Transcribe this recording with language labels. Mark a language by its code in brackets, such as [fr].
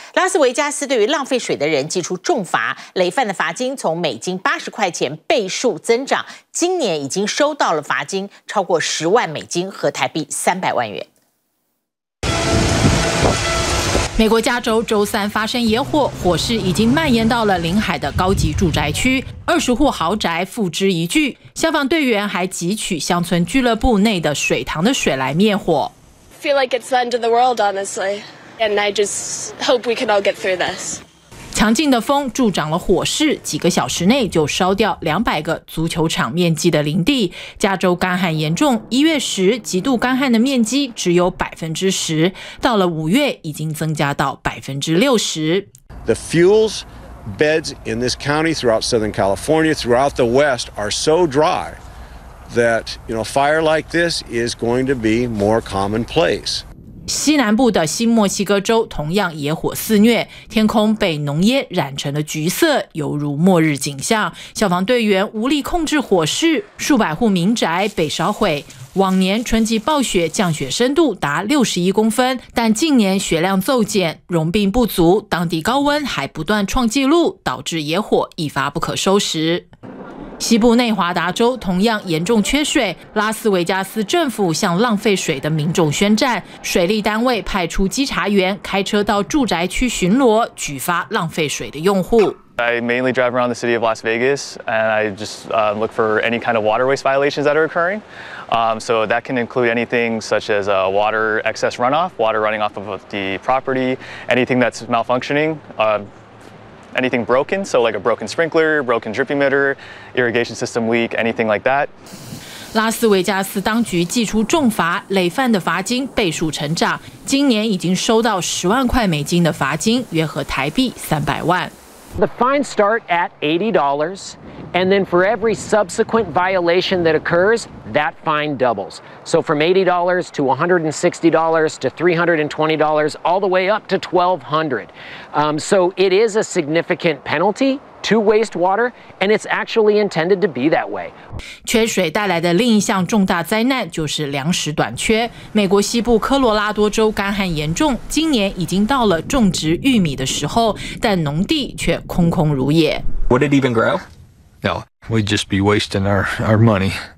[zh] 拉斯维加斯对于浪费水的人祭出重罚，累犯的罚金从每斤80块钱倍数增长，今年已经收到了罚金超过10万美金，合台币300万元。美国加州周三发生野火，火势已经蔓延到了临海的高级住宅区，20户豪宅付之一炬。消防队员还汲取乡村俱乐部内的水塘的水来灭火。 [en] Feel like it's the end of the world, honestly, and I just hope we can all get through this. [zh] 强劲的风助长了火势，几个小时内就烧掉200个足球场面积的林地。加州干旱严重，1月10日极度干旱的面积只有10%，到了5月已经增加到60%。 [en] The fuels beds in this county, throughout Southern California, throughout the West, are so dry that you know fire like this is going to be more commonplace. [zh] 西南部的新墨西哥州同样野火肆虐，天空被浓烟染成了橘色，犹如末日景象。消防队员无力控制火势，数百户民宅被烧毁。往年春季暴雪降雪深度达61公分，但近年雪量骤减，融冰不足，当地高温还不断创纪录，导致野火一发不可收拾。西部内华达州同样严重缺水，拉斯维加斯政府向浪费水的民众宣战，水利单位派出稽查员开车到住宅区巡逻，举发浪费水的用户。 [en] I mainly drive around the city of Las Vegas, and I just look for any kind of water waste violations that are occurring. So that can include anything such as water excess runoff, water running off of the property, anything that's malfunctioning. Anything broken, so like a broken sprinkler, broken drip emitter, irrigation system leak, anything like that. [zh] 拉斯维加斯当局祭出重罚，累犯的罚金倍数成长，今年已经收到10万块美金的罚金，约合台币300万。 [en] The fines start at $80, and then for every subsequent violation that occurs, that fine doubles. So from $80 to $160 to $320, all the way up to $1,200. So it is a significant penalty. To wastewater, and it's actually intended to be that way. [zh] 缺水带来的另一项重大灾难就是粮食短缺。美国西部科罗拉多州干旱严重，今年已经到了种植玉米的时候，但农地却空空如也。 [en] Would it even grow? No, we'd just be wasting our money.